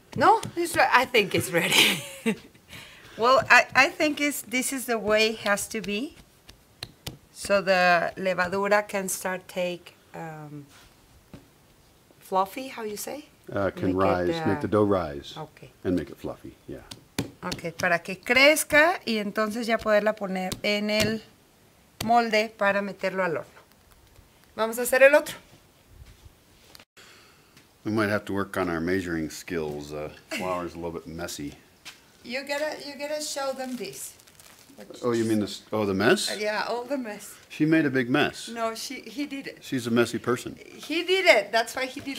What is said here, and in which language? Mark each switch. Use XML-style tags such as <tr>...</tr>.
<en>No, it's I think it's ready. Well, I think this is the way it has to be. So the levadura can start take fluffy, how you say? Can make rise, it, make the dough rise. Okay. And make it fluffy, yeah.</en> <es>Okay, para que crezca y entonces ya poderla poner en el molde para meterlo al horno. Vamos a hacer el otro.</es> <en>We might have to work on our measuring skills. Flour's a little bit messy. You gotta show them this. Oh, you mean the mess? Yeah, all the mess. She made a big mess. No, he did it. She's a messy person. He did it. That's why he did it.</en>